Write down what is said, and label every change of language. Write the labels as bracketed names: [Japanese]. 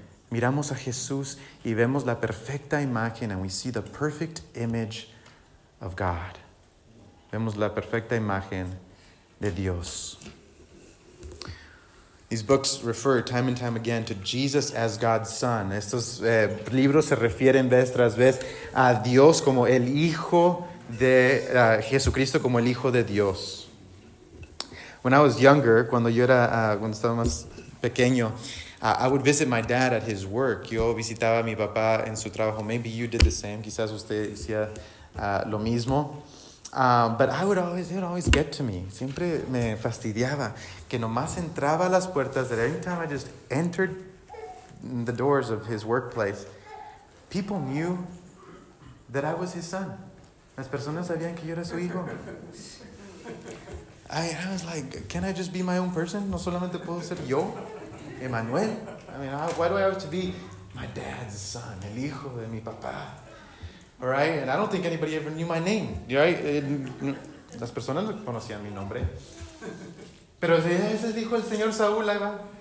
[Spanish] Miramos a Jesús y vemos la perfecta imagen, [English] and we see the perfect image of God. [Spanish] Vemos la perfecta imagen de Dios. [English] These books refer time and time again to Jesus as God's Son. [Spanish] Estos libros se refieren vez tras vez a Dios como el Hijo de Jesucristo, como el Hijo de Dios. [English] When I was younger, [Spanish] cuando estaba más pequeño, [English] I would visit my dad at his work. [Spanish] Yo visitaba a mi papá en su trabajo. [English] Maybe you did the same. [Spanish] Quizás usted hacía lo mismo. [English] But I would always, he'd always get to me. [Spanish] Siempre me fastidiaba que nomás entraba a las puertas. [English] That every time I just entered the doors of his workplace, people knew that I was his son. [Spanish] Las personas sabían que yo era su hijo. [English] I was like, can I just be my own person? [Spanish] No solamente puedo ser yo. [English] Emmanuel, I mean, why do I have to be my dad's son, [Spanish] el hijo de mi papá, [English] all right? And I don't think anybody ever knew my name, right? [Spanish] Las personas no conocían mi nombre. Pero ese es el hijo del señor Saúl, ahí va.